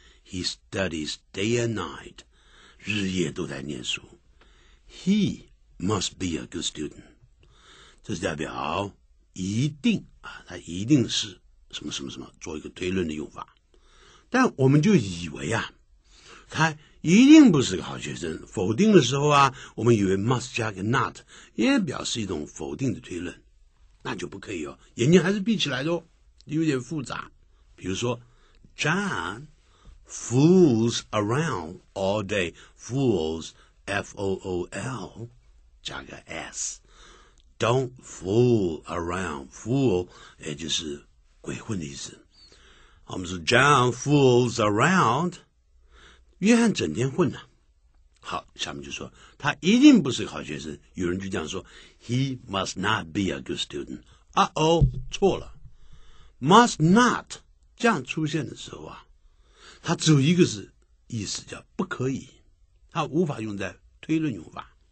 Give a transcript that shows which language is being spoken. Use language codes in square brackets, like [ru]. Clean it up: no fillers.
[en] He studies day and night， [zh] 日夜都在念书。 [en] He must be a good student， [zh] 这是代表一定啊，他一定是什么什么什么，做一个推论的用法。但我们就以为啊，他一定不是个好学生，否定的时候啊，我们以为 must 加个 not 也表示一种否定的推论，那就不可以哦，眼睛还是闭起来的哦，有点复杂。比如说 [en] John fools around all day， fools F-O-O-L 加个 S， don't fool around， fool [zh] 也就是鬼混的意思。我们说 [en] John fools around， [zh] 约翰整天混啊。好，下面就说他一定不是个好学生，有人就这样说 [en] He must not be a good student。 [zh] 错了， must not 这样出现的时候啊，他只有一个是意思，叫不可以，他无法用在推论用法。